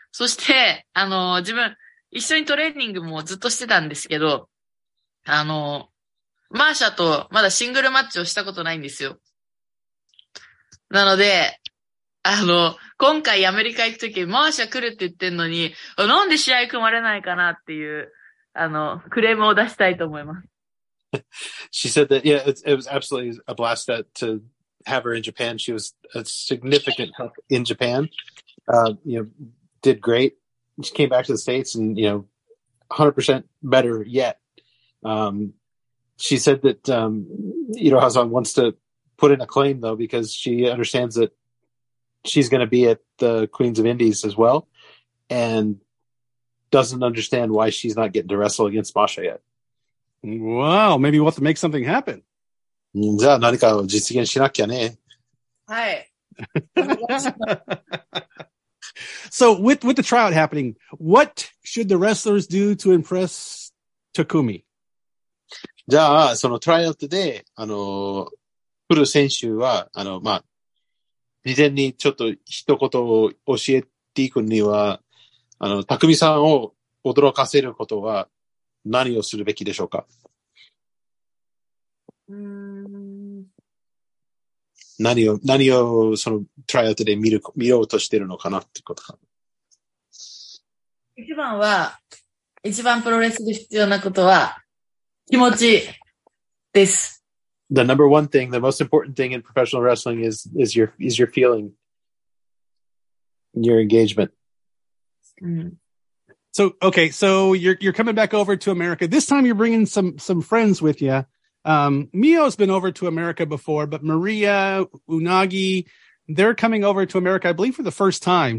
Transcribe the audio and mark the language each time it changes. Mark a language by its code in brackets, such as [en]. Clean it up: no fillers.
[ja] そして、自分、一緒にトレーニングもずっとしてたんですけど、マーシャとまだシングルマッチをしたことないんですよ。なので、今回アメリカ行くとき、マーシャ来るって言ってんのに、なんで試合組まれないかなっていう、クレームを出したいと思います。 [en] She said that, yeah, it was absolutely a blast that, to have her in Japan. She was a significant help in Japan. Did great. She came back to the States and, 100% better yet. She said that Iroha-san wants to put in a claim, though, because she understands that she's going to be at the Queens of Indies as well and doesn't understand why she's not getting to wrestle against Masha yet. Wow, maybe we'll have to make something happen. [ja] じゃあ何かを実現しなきゃね。はい。 [en] So with the tryout happening, what should the wrestlers do to impress Takumi? [ja] じゃあ、そのトライアウトで、来る選手は、事前にちょっと一言を教えていくには、Takumi さんを驚かせることは、何をするべきでしょうか。何をそのトライアウトで見ようとしてるのかなってことか。一番プロレスで必要なことは気持ちです。 [en] The number one thing, the most important thing in professional wrestling is your feeling, your engagement. So, okay, so you're coming back over to America. This time you're bringing some friends with you. Mio's been over to America before, but Maria, Unagi, they're coming over to America, I believe, for the first time.